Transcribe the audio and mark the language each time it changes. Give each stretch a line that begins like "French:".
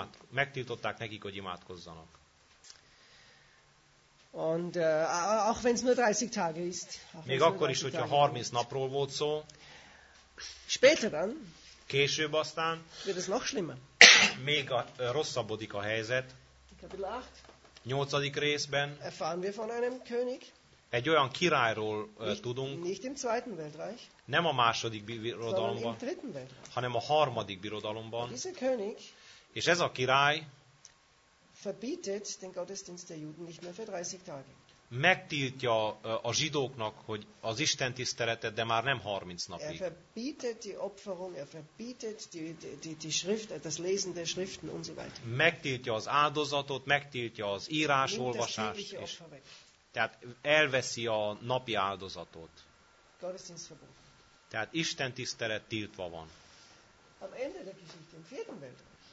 Hungarian: Megtiltották nekik, hogy imádkozzanak.
German: Und auch wenn es nur 30 Tage ist.
Hungarian: Még akkor is, hogyha 30 napról volt szó.
German: Später dann.
Hungarian: Később aztán.
German: Wird es noch schlimmer.
Hungarian: Még rosszabbodik a helyzet.
German: Kapitel 8.
Hungarian: 8. részben.
German: Erfahren wir von einem König.
Hungarian: Egy olyan királyról tudunk.
German: Nicht im zweiten Weltreich.
Hungarian: Nem a második birodalomban, hanem a harmadik birodalomban. És ez a király
German: verbietet den Gottesdienst der Juden nicht mehr für 30 Tage.
Hungarian: Megtiltja a zsidóknak, hogy az Isten tiszteletet, de már nem 30 napig.
German: Er verbietet die Opferung, er verbietet die Schrift, das Lesen der Schriften und so weiter.
Hungarian: Megtiltja az áldozatot, megtiltja az írásolvasást. Tehát elveszi a napi áldozatot.
German: Gottesdienst verboten.
Hungarian: Tehát Isten tisztelet tiltva van.
German: Am Ende der Geschichte im vierten Weltkrieg.